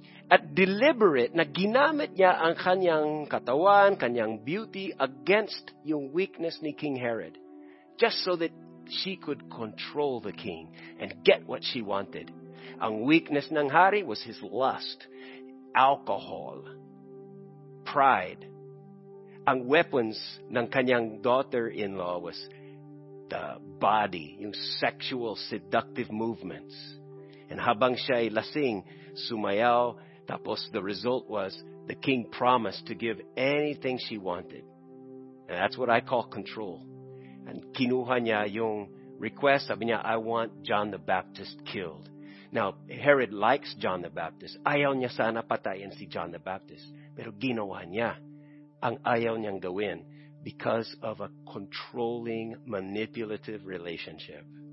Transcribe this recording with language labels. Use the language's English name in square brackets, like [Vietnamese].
[Filipino] At deliberate na ginamit niya ang kanyang katawan, kanyang beauty against yung weakness ni [English] King Herod, just so that she could control the king and get what she wanted. [Filipino] Ang weakness ng hari [English] was his lust, alcohol, pride. [Filipino] Ang weapons ng kanyang [English] daughter-in-law was the body, yung sexual seductive movements. [Filipino] And habang siya ay lasing, sumayaw. [English] Tapos the result was the king promised to give anything she wanted. And that's what I call control. And [Filipino] kinuha niya yung [English] request. [Filipino] Sabi niya, [English] I want John the Baptist killed. Now, Herod likes John the Baptist. [Filipino] Ayaw niya sana patayin si John the Baptist. Pero ginawa niya ang ayaw niyang gawin [English] because of a controlling, manipulative relationship.